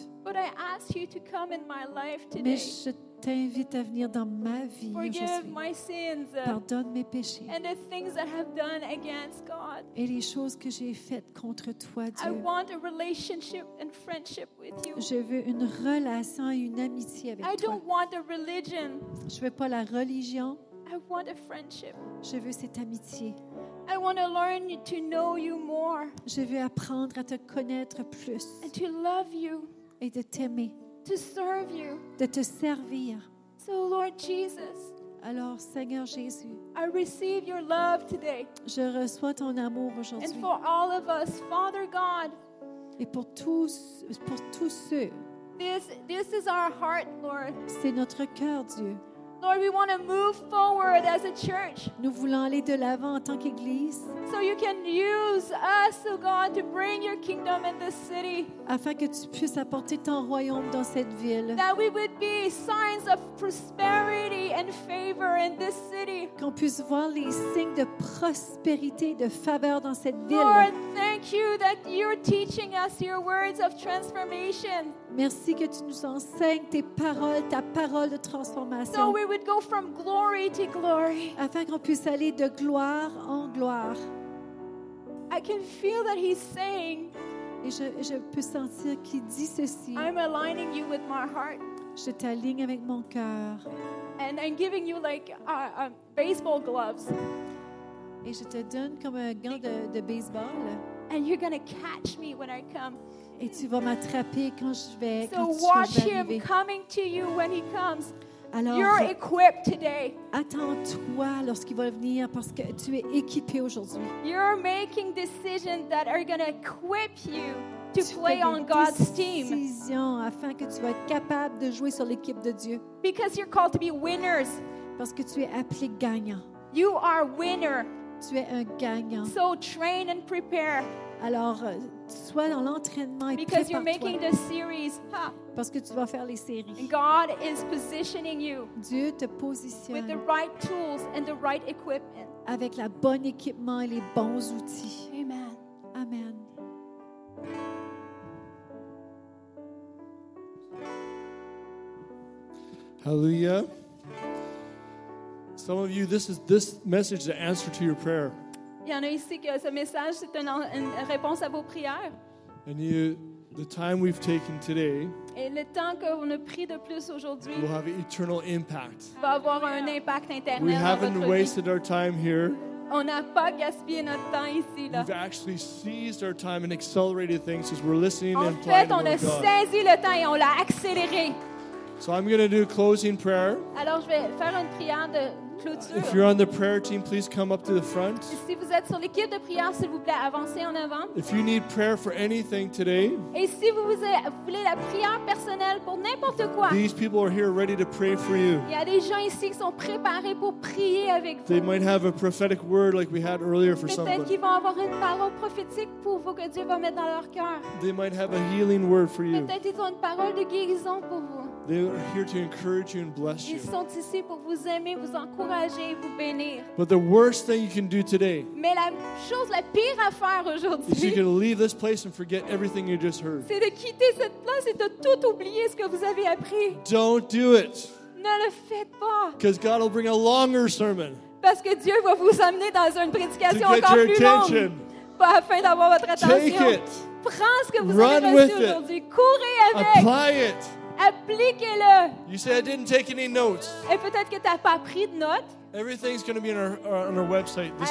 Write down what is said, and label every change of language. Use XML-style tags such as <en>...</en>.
<en>But I ask you to come in my life today.</en> <fr>Mais je t'invite à venir dans ma vie</fr> <en>Forgive</en> <fr>aujourd'hui.</fr> <en>My sins,</en> <fr>Pardonne mes péchés.</fr> <en>And the things I have done against God.</en> <fr>Et les choses que j'ai faites contre toi, Dieu.</fr> <en>I want a relationship and friendship with you.</en> <fr>Je veux une relation et une amitié avec</fr> <en>I</en> <fr>toi.</fr> <en>I don't want a religion.</en> <fr>Je veux pas la religion.</fr> <en>I want a friendship.</en> <fr>Je veux cette amitié.</fr> <en>I want to learn to know you more.</en> <fr>Je veux apprendre à te connaître plus.</fr> <en>And to love you.</en> <fr>Et de t'aimer.</fr> <en>To serve you.</en> <fr>De te servir.</fr> <en>So Lord Jesus.</en> <fr>Alors Seigneur Jésus.</fr> <en>I receive your love today.</en> <fr>Je reçois ton amour aujourd'hui.</fr> <en>And for all of us, Father God.</en> <fr>Et pour tous ceux.</fr> <en>This is our heart, Lord.</en> <fr>C'est notre cœur, Dieu.</fr> <en>Lord, we want to move forward as a church.</en> <fr>Nous voulons aller de l'avant en tant qu'église.</fr> <en>So you can use us, oh God, to bring your kingdom in this city.</en> <fr>Afin que tu puisses apporter ton royaume dans cette ville.</fr> <en>That we would be signs of prosperity and favor in this city.</en> <fr>Qu'on puisse voir les signes de prospérité et de faveur dans cette ville.</fr> <en>Lord, thank you that you're teaching us your words of transformation.</en> <fr>Merci que tu nous enseignes tes paroles, ta parole de transformation.</fr> <en>So we would go from glory to glory.</en> <fr>Afin qu'on puisse aller de gloire en gloire.</fr> <en>I can feel that he's saying,</en> <fr>et je peux sentir qu'il dit ceci.</fr> <en>I'm aligning you with my heart.</en> <fr>Je t'aligne avec mon cœur.</fr> <en>And I'm giving you like baseball gloves.</en> <fr>Et je te donne comme un gant de baseball.</fr> <en>And you're gonna catch me when I come.</en> <fr>Et tu vas m'attraper quand je vais arriver.</fr> <en>So watch him coming to you when he comes.</en> <fr>Alors,</fr> <en>you're equipped today.</en> <fr>Attends-toi lorsqu'il va venir parce que tu es équipé aujourd'hui.</fr> <en>You're making decisions that are going to equip you to play on God's team.</en> <fr>Tu fais des décisions afin que tu vas être capable de jouer sur l'équipe de Dieu.</fr> <en>Because you're called to be winners.</en> <fr>Parce que tu es appelé gagnant.</fr> <en>You are winner.</en> <fr>Tu es un gagnant.</fr> <en>So train and prepare.</en> <fr>Alors, sois dans l'entraînement et</fr> <en>Because</en> <fr>prépare-toi.</fr> <en>You're making the series, huh?</en> <fr>Parce que tu vas faire les séries.</fr> <en>God is positioning you</en> <fr>Dieu te positionne</fr> <en>with the right tools and the right equipment.</en> <fr>Avec la bonne équipement et les bons outils.</fr> <en>Amen.</en> <fr>Amen.</fr> <en>Hallelujah. Some of you, this message is an answer to your prayer.</en> <fr>Il y en a ici que ce message, c'est une réponse à vos prières.</fr> <en>And you, the time we've taken today,</en> <fr>et le temps qu'on a pris de plus aujourd'hui</fr> <en>will have an eternal impact.</en> <fr>Va avoir un impact éternel.</fr> <en>We haven't wasted our time here.</en> <fr>On n'a pas gaspillé notre temps ici. Là.</fr> <en>We've actually seized our time and accelerated things as we're listening</en> <fr>en</fr> <en>and</en> <fr>fait,</fr> <en>applying</en> <fr>on a saisi le temps et on l'a accéléré.</fr> <en>So I'm going to do a closing prayer.</en> <fr>Alors, je vais faire une prière de clôture.</fr> <en>If you're on the prayer team, please come up to the front.</en> <fr>Si vous êtes sur l'équipe de prière, s'il vous plaît, avancez en avant.</fr> <en>If you need prayer for anything today,</en> <fr>et si vous voulez la prière personnelle pour n'importe quoi,</fr> <en>these people are here ready to pray for you.</en> <fr>Il y a des gens ici qui sont préparés pour prier avec vous.</fr> <en>They might have a prophetic word like we had earlier for someone.</en> <fr>Peut-être qu'ils vont avoir une parole prophétique pour vous que Dieu va mettre dans leur cœur.</fr> <en>They might have a healing word for you.</en> <fr>Peut-être qu'ils ont une parole de guérison pour vous.</fr> <en>They are here to encourage you and bless you.</en> <fr>Ils sont ici pour vous aimer, vous encourager et vous bénir.</fr> <en>But the worst thing you can do today.</en> <fr>Mais la chose la pire à faire aujourd'hui.</fr> <en>Is you can leave this place and forget everything you just heard.</en> <fr>C'est de quitter cette place et de tout oublier ce que vous avez appris.</fr> <en>Don't do it.</en> <fr>Ne le faites pas.</fr> <en>Because God will bring a longer sermon.</en> <fr>Parce que Dieu va vous amener dans une prédication</fr> <en>to get</en> <fr>encore</fr> <en>your</en> <fr>plus</fr> <en>attention.</en> <fr>Longue. Afin d'avoir votre attention.</fr> <en>Take it.</en> <fr>Prends ce que vous</fr> <en>Run</en> <fr>avez reçu aujourd'hui.</fr> <en>It.</en> <fr>Courez avec.</fr> <en>Apply it.</en> <fr>appliquez-le.</fr> <en>You say I didn't take any notes.</en> <fr>Et peut-être que t'as pas pris de notes.</fr> <en>Everything's going to be on our website this</en>